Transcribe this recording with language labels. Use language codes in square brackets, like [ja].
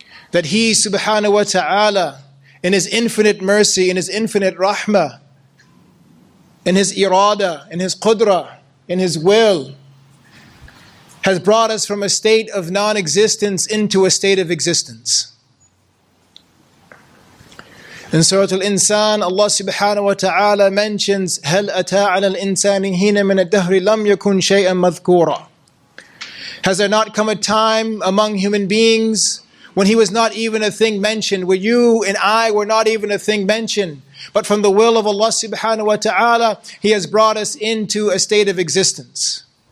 [en] That He subhanahu wa ta'ala, in His infinite mercy, in His infinite rahmah, in His irada, in His qudra, in His will, has brought us from a state of non-existence into a state of existence. In Surah Al-Insan, Allah subhanahu wa ta'ala mentions, [ar] هَلْ أَتَىٰ عَلَى الْإِنسَانِ هِنَ مِنَ الدَّهْرِ لَمْ يَكُنْ شَيْئًا مَذْكُورًا. [en] Has there not come a time among human beings when he was not even a thing mentioned, where you and I were not even a thing mentioned, but from the will of Allah subhanahu wa ta'ala, He has brought us into a state of existence.